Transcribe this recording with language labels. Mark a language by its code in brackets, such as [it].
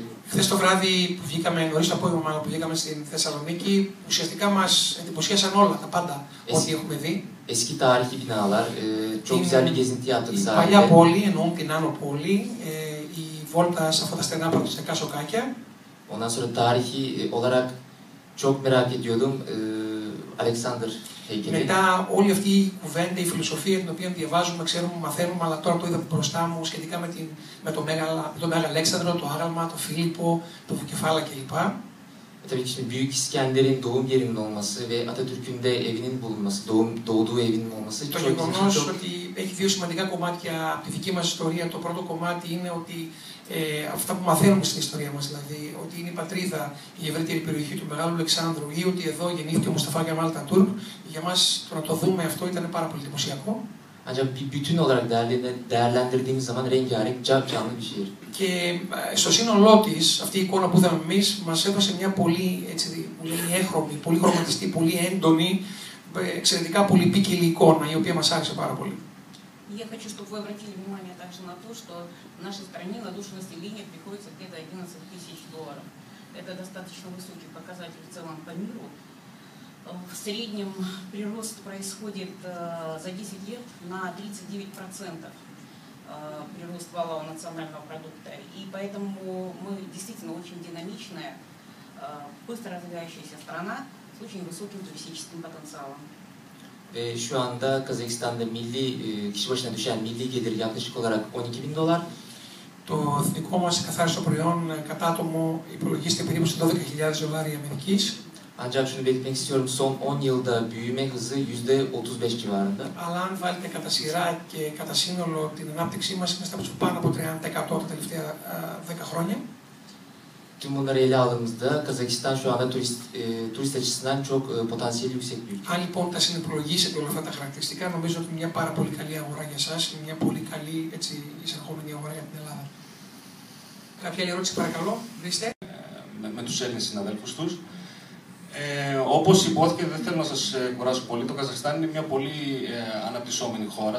[el] Χθες το βράδυ που βγήκαμε, νωρίς το απόγευμα που βγήκαμε στην Θεσσαλονίκη, ουσιαστικά μας εντυπωσίασαν όλα τα πάντα, ό,τι έχουμε δει. [tr] Eski tarihi binalar, çok güzel bir gezinti yaptık sahilde. [el] Παλιά πόλη, εννοώ την Άνω πόλη, η βόλτα σε αυτά τα στενά πάντα σε Κασοκάκια. [tr] Ondan sonra tarihi olarak çok merak ediyordum. Alexander Hegel. [el] Μετά όλη αυτή η κουβέντα, η φιλοσοφία την οποία διαβάζουμε, ξέρουμε, μαθαίνουμε, αλλά τώρα το είδα μπροστά μου σχετικά με, τον Μέγα Αλέξανδρο, το Άγαλμα, το Φίλιππο, το Βουκεφάλα κλπ. [tr] Tabii ki Büyük İskender'in doğum yerinin olması ve Atatürk'ün de evinin bulunması, doğduğu evinin olması çok güzel. [el] Το γεγονός ότι έχει δύο σημαντικά κομμάτια από τη δική μας ιστορία. Το πρώτο κομμάτι είναι ότι αυτά που μαθαίνουμε στην ιστορία μας, δηλαδή ότι είναι η πατρίδα, η ευρύτερη περιοχή του Μεγάλου Αλεξάνδρου ή ότι εδώ γεννήθηκε ο Μουσταφά Κεμάλ Ατατούρκ, για μας το να το δούμε αυτό ήταν πάρα πολύ εντυπωσιακό. [tr] Ancak bir bütün olarak değerlendirdiğimiz zaman rengarenk, canlı bir şehir. [el] Και στο σύνολό της, αυτή η εικόνα που είδαμε εμείς, μας έδωσε μια πολύ, έτσι, πολύ έχρωμη, πολύ χρωματιστή, πολύ έντονη, εξαιρετικά πολύ ποικιλή εικόνα, η οποία μας άρεσε πάρα πολύ. [ru] Я хочу, чтобы вы обратили внимание также на то, что в нашей стране на душу населения приходится где-то 11 тысяч долларов. Это достаточно высокий показатель в целом по миру. В среднем прирост происходит за 10 лет на 39% прирост валового национального продукта. И поэтому мы действительно очень динамичная, быстро развивающаяся страна с очень высоким туристическим потенциалом. [tr] Şu anda Kazakistan'da milli kişi başına düşen milli gelir yaklaşık olarak 12 bin dolar. [el] Το εθνικό μας καθάριστο προϊόν κατά άτομο υπολογίζεται περίπου σε 12.000 δολάρια Αμερικής. [tr] Ancak şunu belirtmek istiyorum, son 10 yılda büyüme hızı %35 civarında. [el] Αλλά αν βάλετε κατά σειρά και κατά σύνολο την ανάπτυξή μας, είμαστε πάνω από 30% τα τελευταία 10 χρόνια. [tr] tüm bunları ele aldığımızda Kazakistan şu anda turist açısından çok potansiyeli yüksek bir ülke. [el] Αν λοιπόν τα συνυπολογίσετε όλα αυτά τα χαρακτηριστικά, νομίζω ότι μια πάρα πολύ καλή αγορά για εσάς και μια πολύ καλή έτσι, εισερχόμενη αγορά για την Ελλάδα. Κάποια άλλη ερώτηση, παρακαλώ, δείστε. Με τους Έλληνες συναδέλφους τους. Όπως υπόθηκε, δεν θέλω να σας κουράσω πολύ, το Καζακστάν είναι μια πολύ αναπτυσσόμενη χώρα.